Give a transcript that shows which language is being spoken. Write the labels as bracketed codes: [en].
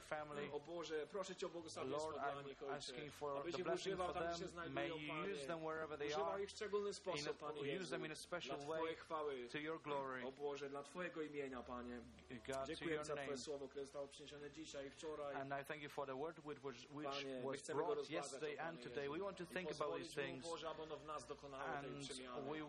[en] their family. [pl] O Boże, proszę Cię o błogosławieństwo dla nich, Ojcze, abyś [en] them. [pl] Tam, gdzie się znajdują, Panie. Używaj ich w szczególny sposób, Panie Jezu, [en] in a special way [pl] dla Twojej chwały, [en] to your glory. [pl] O Boże, dla Twojego imienia, Panie. [en] God, [pl] dziękuję [en] to your [pl] za Twoje słowo, które zostało przyniesione dzisiaj i wczoraj. [en] And I thank you for the word which was brought yesterday and today. We want to think about these things. [pl] Boże, aby ono w nas dokonało tej przemiany.